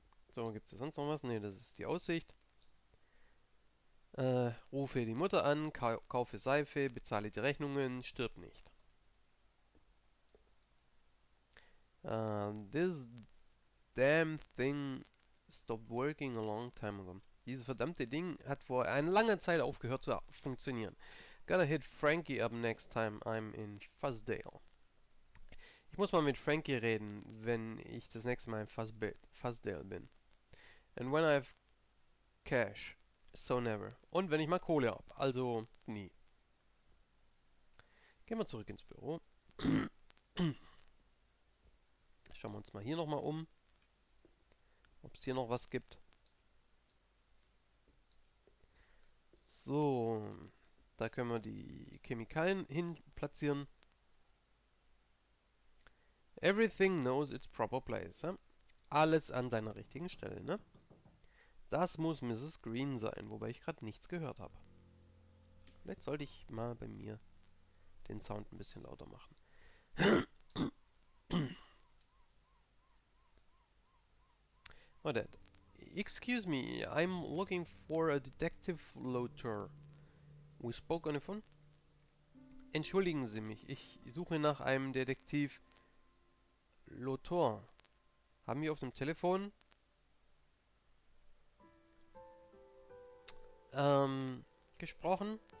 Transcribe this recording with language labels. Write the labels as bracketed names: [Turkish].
[German] So, gibt es sonst noch was? Ne, das ist die Aussicht. Rufe die Mutter an, kaufe Seife, bezahle die Rechnungen, stirb nicht. [English] This damn thing stopped working a long time ago. [German] Dieses verdammte Ding hat vor einer langen Zeit aufgehört zu funktionieren. [English] Gotta hit Frankie up next time I'm in Fuzzdale. [German] Ich muss mal mit Frankie reden, wenn ich das nächste Mal in Fuzzdale bin. [English] And when I have cash, so never. [German] Und wenn ich mal Kohle habe, also nie. Gehen wir zurück ins Büro. Schauen wir uns mal hier nochmal um, ob es hier noch was gibt. So, da können wir die Chemikalien hin platzieren. [English] Everything knows its proper place. [German] Ja? Alles an seiner richtigen Stelle, ne? Das muss Mrs. Green sein, wobei ich gerade nichts gehört habe. Vielleicht sollte ich mal bei mir den Sound ein bisschen lauter machen. Warte. [English] Excuse me, I'm looking for a detective loiter. We spoke on the phone. [German] Entschuldigen Sie mich, ich suche nach einem Detektiv Lothar. Haben wir auf dem Telefon? Gesprochen.